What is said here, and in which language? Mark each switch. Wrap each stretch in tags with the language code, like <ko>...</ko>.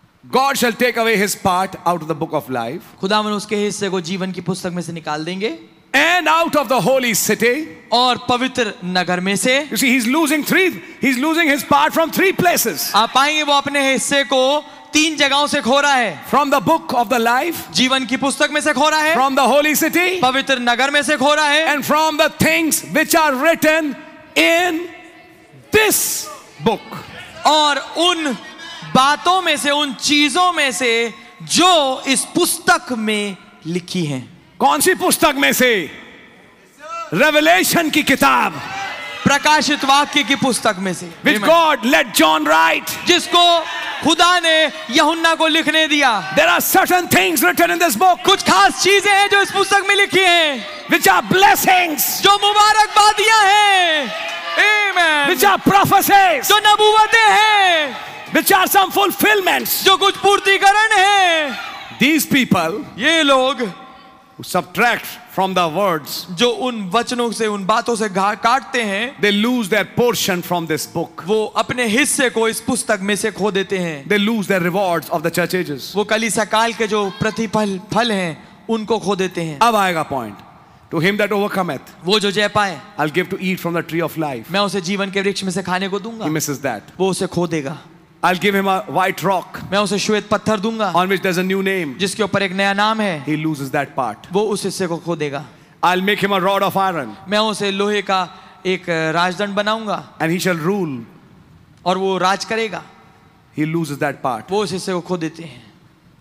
<en>God shall take away his part out of the book of life.</en> <hi>खुदावन उसके हिस्से को जीवन की पुस्तक में से निकाल देंगे.</hi> <en>And out of the holy city.</en> <hi>और पवित्र नगर में से.</hi> <en>You see, he's losing his part from 3 places.</en> <hi>आप पाएंगे वो अपने हिस्से को 3 जगहों से खो रहा है.</hi> <en>From the book of the life.</en> <hi>जीवन की पुस्तक में से खो रहा है.</hi> <en>From the holy city.</en> <hi>पवित्र नगर में से खो रहा है.</hi> <en>And from the things which are written in this book.</en> <hi>और उन बातों में से उन चीजों में से जो इस पुस्तक में लिखी हैं. कौन सी पुस्तक में से? रेवलेशन की किताब. प्रकाशित वाक्य की पुस्तक में से.</hi> <en>Which God let John write.</en> <hi>जिसको खुदा ने यहुन्ना को लिखने दिया.</hi> <en>There are certain things written in this book.</en> <hi>कुछ खास चीजें हैं जो इस पुस्तक में लिखी हैं.</hi> <en>Which are blessings.</en> <hi>जो मुबारकबादियां हैं. आमेन.</hi> <en>Which are prophecies.</en> <hi>जो नबूवतें हैं.</hi> <en>Which are some fulfillments.</en> <hi>जो कुछ पूर्तिकरण हैं.</hi> <en>These people.</en> <hi>ये लोग.</hi> <en>Subtract from the words.</en> <hi>जो उन वचनों से उन बातों से काटते हैं.</hi> <en>They lose their portion from this book.</en> <hi>वो अपने हिस्से को इस पुस्तक में से खो देते हैं.</hi> <en>They lose their rewards of the church ages.</en> <hi>वो कलीसिया काल के जो प्रतिफल फल हैं उनको खो देते हैं. अब आएगा point.</hi> <en>To him that overcometh.</en> <hi>वो जो जय पाए.</hi> <en>I'll give to eat from the tree of life.</en> <hi>मैं उसे जीवन के वृक्ष में से खाने को दूंगा.</hi> <en>He misses that.</en> <hi>वो उसे खो देगा.</hi> <en>I'll give him a white rock.</en> <hi>मैं उसे श्वेत पत्थर दूंगा.</hi> <en>On which there's a new name.</en> <hi>जिसके ऊपर एक नया नाम है.</hi> <en>He loses that part.</en> <hi>वो उस हिस्से को खो देगा.</hi> <en>I'll make him a rod of iron.</en> <hi>मैं उसे लोहे का एक राजदंड बनाऊंगा.</hi> <en>And he shall rule.</en> <hi>और वो राज करेगा.</hi> <en>He loses that part.</en> <hi>वो उस हिस्से को खो देते हैं.</hi>